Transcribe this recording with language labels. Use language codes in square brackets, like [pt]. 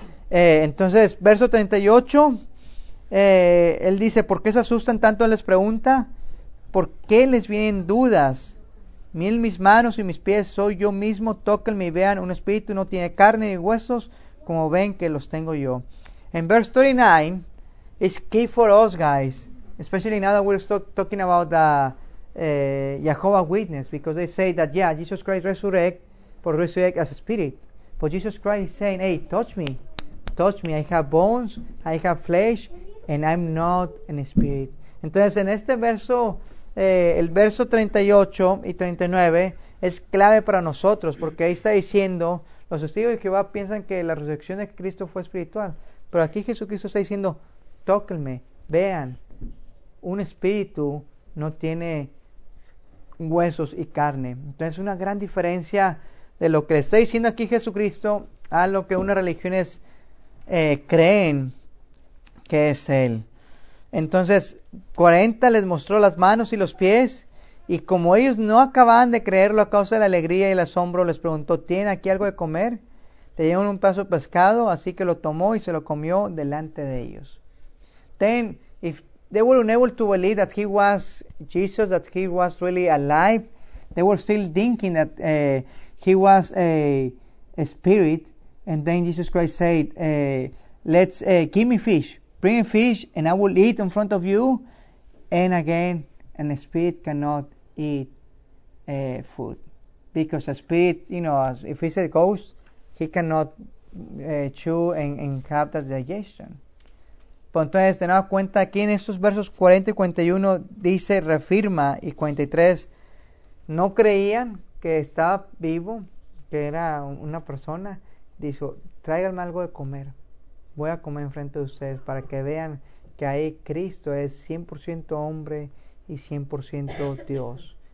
[es] Entonces, verso 38, él dice, ¿por qué se asustan tanto? Les pregunta, ¿por qué les vienen dudas? Miren mis manos y mis pies, soy yo mismo, tóquenme y vean, un espíritu no tiene carne ni huesos, como ven que los tengo yo. [en] En verse 39, it's key for us guys, especially now that we're talking about the Jehovah Witness, because they say that, yeah, Jesus Christ resurrect as a spirit, but Jesus Christ is saying, hey, touch me, I have bones, I have flesh, and I'm not a spirit. [es] Entonces, en este verso, el verso 38 y 39 es clave para nosotros, porque ahí está diciendo, los testigos de Jehová piensan que la resurrección de Cristo fue espiritual, pero aquí Jesucristo está diciendo, tóquenme, vean, un espíritu no tiene huesos y carne. Entonces, una gran diferencia de lo que está diciendo aquí Jesucristo a lo que unas religiones creen que es él. Entonces, 40 les mostró las manos y los pies, y como ellos no acababan de creerlo a causa de la alegría y el asombro, les preguntó, ¿tienen aquí algo de comer? Le dieron un pedazo de pescado, así que lo tomó y se lo comió delante de ellos. [en] Then, if they were unable to believe that he was Jesus, that he was really alive, they were still thinking that he was a spirit, and then Jesus Christ said, let's give me fish. Bring a fish and I will eat in front of you. And again, a spirit cannot eat food. Because a spirit, you know, if he's a ghost, he cannot chew and have that digestion. [es] Pero entonces, de nueva cuenta, aquí en estos versos 40 y 41, dice, reafirma, y 43, no creían que estaba vivo, que era una persona. Dijo, tráiganme algo de comer. Voy a comer enfrente de ustedes para que vean que ahí Cristo es 100% hombre y 100% Dios.